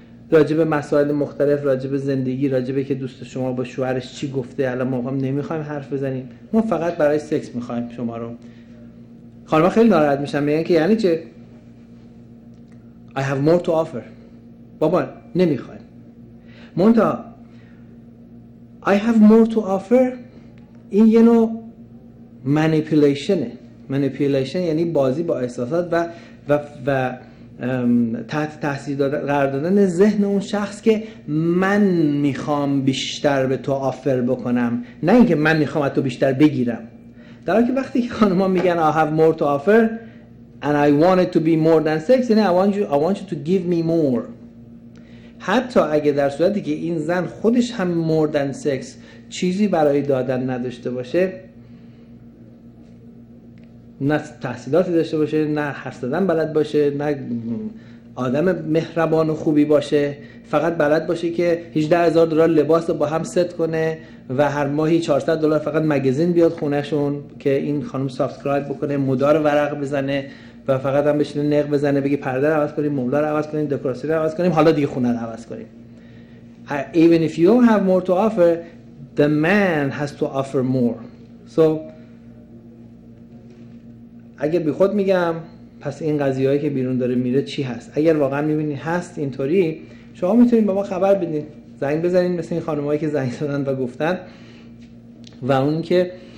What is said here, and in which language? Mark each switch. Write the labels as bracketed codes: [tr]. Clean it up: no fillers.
[fa] راجب مسائل مختلف، راجب زندگی، راجب که دوست شما با شوهرش چی گفته الان ما هم نمیخوایم حرف بزنیم، ما فقط برای سکس میخوایم شما رو. خانم خیلی ناراحت میشن، میگن که یعنی چه؟ [en] I have more to offer. [fa] بابا نمیخوایم. منتها [en] I have more to offer [fa] این یه نوع manipulationه. manipulation یعنی بازی با احساسات و تحت تاثیر قرار دادن ذهن اون شخص که من میخوام بیشتر به تو آفر بکنم، نه اینکه من میخوام از تو بیشتر بگیرم. در حالی که وقتی که خانم‌ها میگن [en] I have more to offer and I want it to be more than sex، [fa] یعنی [en] I want you to give me more. [fa] حتی اگه در صورتی که این زن خودش هم [en] more than sex [fa] چیزی برای دادن نداشته باشه، نه تحصیلاتی داشته باشه، نه حرف زدن بلد باشه، نه آدم مهربان و خوبی باشه، فقط بلد باشه که $18,000 لباس رو با هم ست کنه و هر ماهی $400 فقط مگزین بیاد خونهشون که این خانم سابسکرایب بکنه، مدار ورق بزنه و فقط هم بشینه نق بزنه بگه پرده رو عوض کنیم، مبل رو عوض کنیم، دکوراسیون رو عوض کنیم، حالا دیگه خونه رو عوض کنیم. [en] Even if you don't have more to offer, the man has to offer more. [fa] So اگه بی خود میگم، پس این قضیه‌ای که بیرون داره میره چی هست؟ اگر واقعا می‌بینی هست اینطوری، شما میتونید به ما خبر بدین، زنگ بزنین مثل این خانمایی که زنگ زدن و گفتن، و اون که